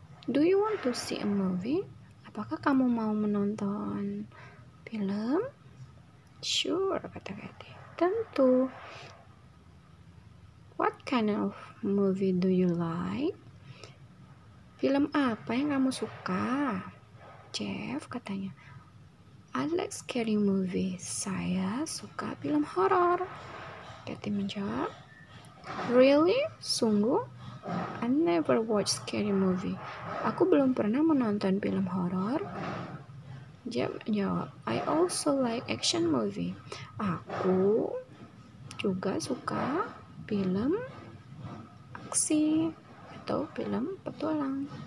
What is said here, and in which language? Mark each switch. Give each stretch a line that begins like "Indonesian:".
English: Do you want to see a movie?
Indonesian: Apakah kamu mau menonton film?
English: Sure,
Indonesian: kata Kitty. Tentu.
English: What kind of movie do you like?
Indonesian: Film apa yang kamu suka? Jeff katanya.
English: I like scary movies.
Indonesian: Saya suka film horror. Kitty menjawab.
English: Really?
Indonesian: Sungguh?
English: I never watch scary movie.
Indonesian: Aku belum pernah menonton film horor. Jeff jawab,
English: I also like action movie.
Indonesian: Aku juga suka film aksi atau film petualang.